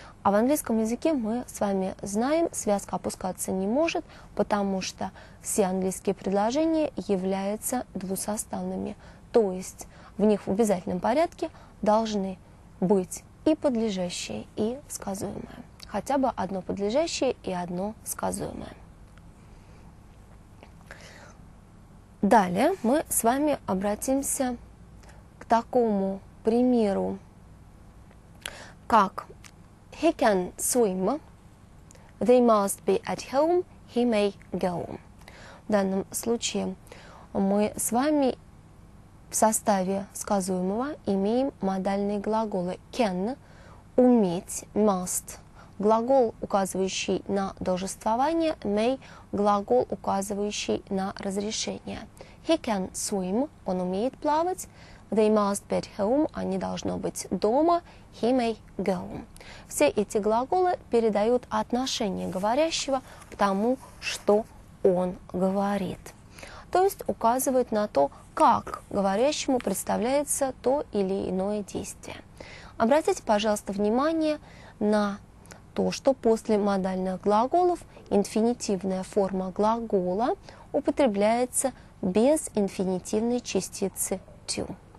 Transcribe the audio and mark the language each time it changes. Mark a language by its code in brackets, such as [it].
[ru] А в английском языке мы с вами знаем, связка опускаться не может, потому что все английские предложения являются двусоставными. То есть в них в обязательном порядке должны быть и подлежащее, и сказуемое. Хотя бы одно подлежащее и одно сказуемое. Далее мы с вами обратимся к такому примеру, как [en] he can swim, they must be at home, he may go. [ru] В данном случае мы с вами в составе сказуемого имеем модальные глаголы can, уметь, must, глагол, указывающий на должествование, may, глагол, указывающий на разрешение. [en] He can swim, [ru] он умеет плавать. [en] They must be at home, [ru] они должны быть дома, [en] he may go. [ru] Все эти глаголы передают отношение говорящего к тому, что он говорит. То есть указывают на то, как говорящему представляется то или иное действие. Обратите, пожалуйста, внимание на то, что после модальных глаголов инфинитивная форма глагола употребляется без инфинитивной частицы to.